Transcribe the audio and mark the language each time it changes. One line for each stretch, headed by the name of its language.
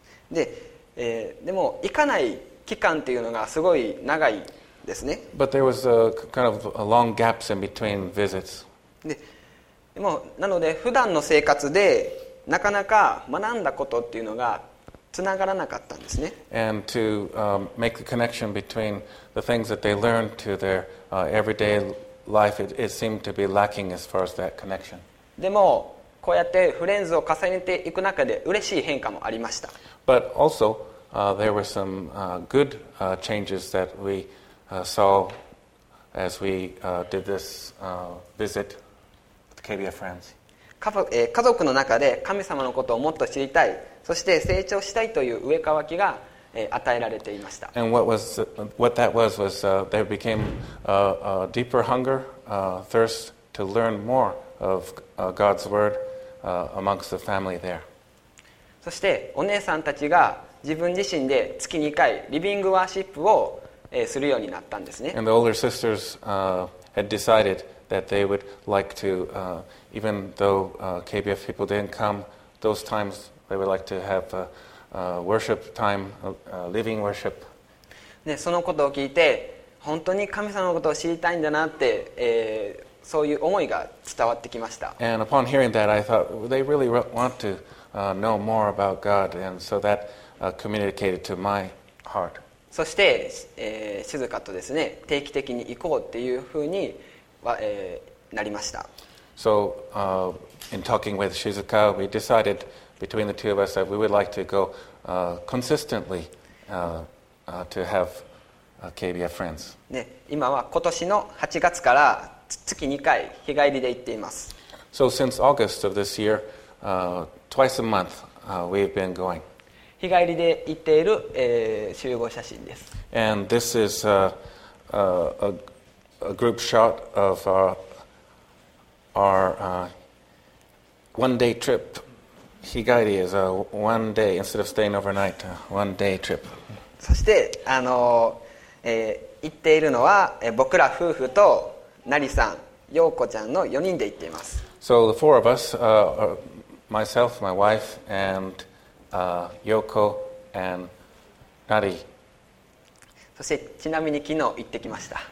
Japanese: で、でも行かない期間というのがすごい長いですね。
English: But there was a kind of a long gaps in between visits.
Japanese: でもなので普段の生活でなかなか学んだことっていうのがつながらなかったんですね。
English: And to make the connection between the things that they learned to their everyday life, it seemed to be lacking as far as that connection.
Japanese: でもこうやってフレンズを重ねていく中で嬉しい変化もありました。
English: But also there were some good changes that we saw as we did this visit with KBF Friends.
Japanese: 家族の中で神様のことをもっと知りたい、そして成長したいという植え替わきが与えられていました。
English: And what that was there became a deeper hunger, a thirst to learn more of God's word amongst the family there.
Japanese: そしてお姉さんたちが自分自身で月2回リビングワーシップをするようになったんですね。
English: And the older sisters had decided that they would like to even though KBF people didn't come those times they would like to have worship time living worship.
Japanese: でそのことを聞いて本当に神様のことを知りたいんだなって、そういう思いが伝わってきました。
English: And upon hearing that I thought they really want to know more about God and so that communicated to my heart.
Japanese: そして、静かとですね定期的に行こうっていうふうにはなりました。
English: So, in talking with Shizuka, we decided between the two of us that we would like to go consistently to have KBF Friends.
Japanese: ね、今は今年の8月から月2回日帰りで行っています。
English: So, since August of this year, twice a month we've been going.
Japanese: 日帰りで行っている、集合写真です。
English: And this is a group shot of our one day trip. Higaeri is a one day, instead of staying overnight, one day trip.
Japanese: そしてあの、行っているのは僕ら夫婦とナリさん、ヨウコちゃんの4人で行っています。
English: So the four of us、myself, my wife, and Yoko and Nari.
Japanese: そしてちなみに昨日行ってきました。